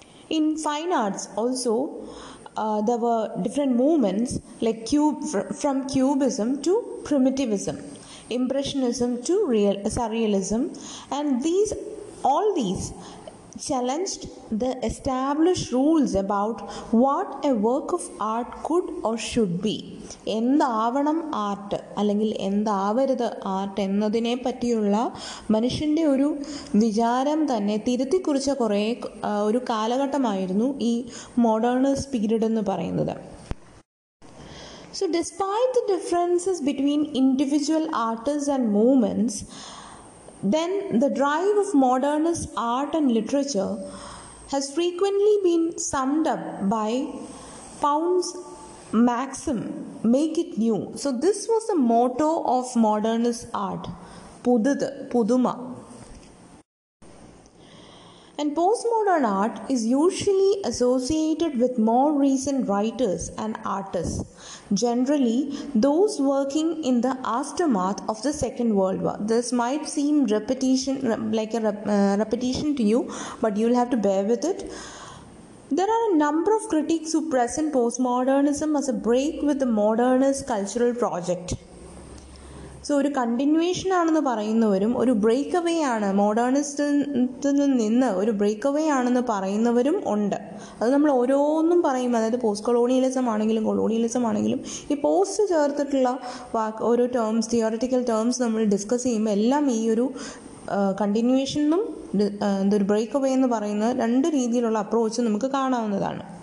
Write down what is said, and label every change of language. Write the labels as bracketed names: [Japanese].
[English] In fine arts also, there were different movements like from cubism to primitivism, impressionism to surrealism, and all these challenged the established rules about what a work of art could or should be. [Malayalam] എന്താവണം art അല്ലെങ്കിൽ എന്താവരുത് art എന്നതിനെ പറ്റിയുള്ള മനുഷ്യൻ്റെ ഒരു വിചാരം തന്നെ തിരുത്തിക്കുറിച്ച കുറേ ഒരു കാലഘട്ടമായിരുന്നു ഈ മോഡേണസ് പീരീഡ് എന്ന് പറയുന്നത്. [English] So despite the differences between individual artists and movements, then the drive of modernist art and literature has frequently been summed up by Pound's maxim, make it new. So this was the motto of modernist art, [Malayalam] pudhuthu, puduma. [English] And postmodern art is usually associated with more recent writers and artists, generally those working in the aftermath of the Second World War. This might seem repetition to you, but you'll have to bear with it. There are a number of critics who present postmodernism as a break with the modernist cultural project. [Malayalam] So ഒരു continuation ആണെന്ന് പറയുന്നവരും ഒരു break away ആണ്, മോഡേണിസ്റ്റിൽ നിന്ന് ഒരു break away ആണെന്ന് പറയുന്നവരും ഉണ്ട്. അത് നമ്മൾ ഓരോന്നും പറയും, അതായത് പോസ്റ്റ് കൊളോണിയലിസം ആണെങ്കിലും കൊളോണിയലിസം ആണെങ്കിലും ഈ പോസ്റ്റ് ചേർത്തിട്ടുള്ള ഓരോ ടേംസ്, തിയോറിറ്റിക്കൽ ടേംസ് നമ്മൾ ഡിസ്കസ് ചെയ്യുമ്പോൾ എല്ലാം ഈ ഒരു കണ്ടിന്യൂവേഷനും എന്തൊരു ബ്രേക്ക് അവേ എന്ന് പറയുന്ന രണ്ട് രീതിയിലുള്ള അപ്രോച്ച് നമുക്ക് കാണാവുന്നതാണ്.